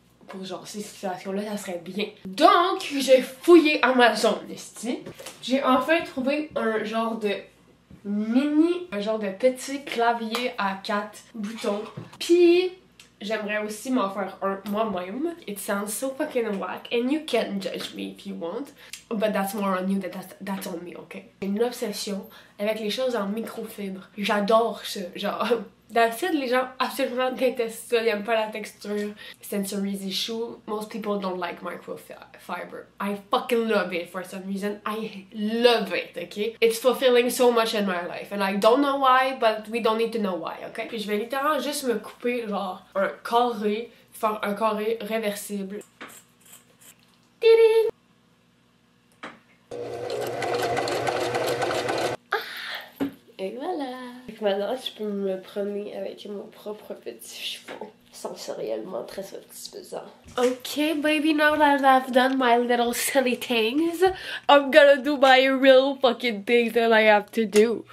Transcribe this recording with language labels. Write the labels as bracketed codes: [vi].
[fr] Pour genre ces situations-là, ça serait bien. Donc, j'ai fouillé Amazon, esti. J'ai enfin trouvé un genre de petit clavier à 4 boutons. Puis, j'aimerais aussi m'en faire un moi-même. [en] It sounds so fucking whack, and you can judge me if you want. But that's more on you than that's on me, ok? [fr] J'ai une obsession avec les choses en microfibre. J'adore ça, genre... D'habitude, les gens absolument détestent ça, ils aiment pas la texture. [en] Sensory issue, most people don't like microfiber. I fucking love it for some reason. I love it, ok? It's fulfilling so much in my life. And I don't know why, but we don't need to know why, ok? [fr] Puis je vais littéralement juste me couper, genre, un carré, faire un carré réversible. Tiri! Et voilà! Maintenant, je peux me promener avec mon propre petit chiffon. Sensoriellement très satisfaisant. [en] Ok, baby, now that I've done my little silly things, I'm gonna do my real fucking thing that I have to do.